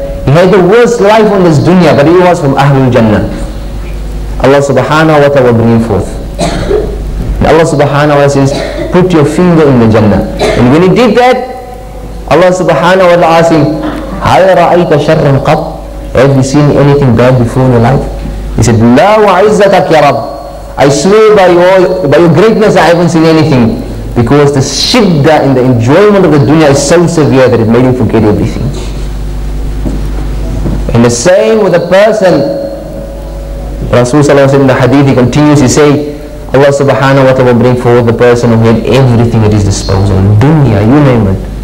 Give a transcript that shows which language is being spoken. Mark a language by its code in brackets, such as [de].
[en] He had the worst life on this dunya, but he was from Ahlul Jannah. Allah subhanahu wa ta'ala bring him forth. Allah subhanahu wa ta'ala says, put your finger in the Jannah. And when he did that, Allah subhanahu wa ta'ala asked him, [ar] هَلْ رَأَيْتَ شَرًّا قَطْ? [en] Have you seen anything bad before in your life? He said, [ar] لَا وَعِزَّتَكْ يَا رَبْ. [en] I swear by your greatness I haven't seen anything, because the shidda in the enjoyment of the dunya is so severe that it made him forget everything. And the same with a person, Rasulullah said in the hadith, he continues, he say, Allah subhanahu wa ta'ala bring forward the person who had everything at his disposal, dunya, you name it.